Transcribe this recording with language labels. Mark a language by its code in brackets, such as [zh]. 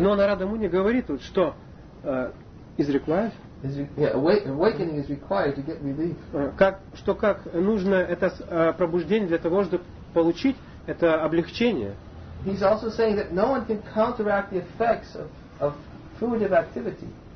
[ru] Но Нарада Муни говорит тут, что [en] is required? Awakening is required to get relief. [ru] Как нужно это пробуждение для того, чтобы получить это облегчение? [en] He's also saying that no one can counteract the effects of fruitive activity.